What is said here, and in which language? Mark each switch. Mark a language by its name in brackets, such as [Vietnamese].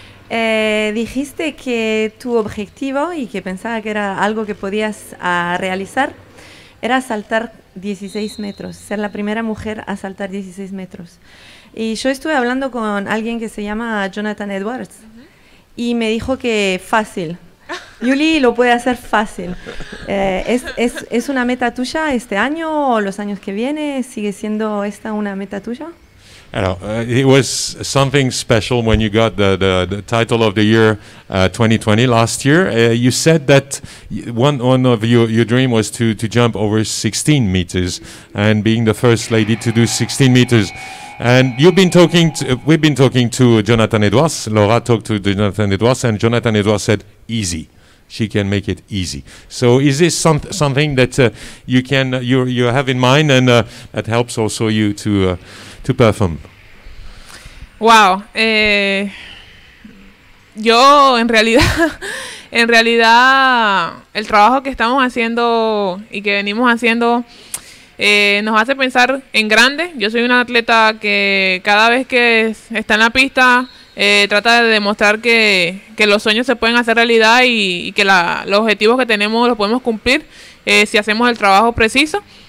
[Spanish] Dijiste que tu objetivo y que pensaba que era algo que podías realizar era saltar 16 metros, ser la primera mujer a saltar 16 metros. Y yo estuve hablando con alguien que se llama Jonathan Edwards y me dijo que fácil. Yuli lo puede hacer fácil. ¿Es una meta tuya este año o los años que vienen? ¿Sigue siendo esta una meta tuya? [English] It was something special when you got the title of the year 2020 last year. You said that one of your dream was to jump over 16 meters and being the first lady to do 16 meters. And we've been talking to Jonathan Edwards. Laura talked to Jonathan Edwards, and Jonathan Edwards said, easy. She can make it easy. So is this something that you have in mind and that helps also you to perform? Wow. [Spanish] Yo, en realidad, el trabajo que estamos haciendo y que venimos haciendo nos hace pensar en grande. Yo soy una atleta que cada vez que está en la pista trata de demostrar que los sueños se pueden hacer realidad y que los objetivos que tenemos los podemos cumplir si hacemos el trabajo preciso.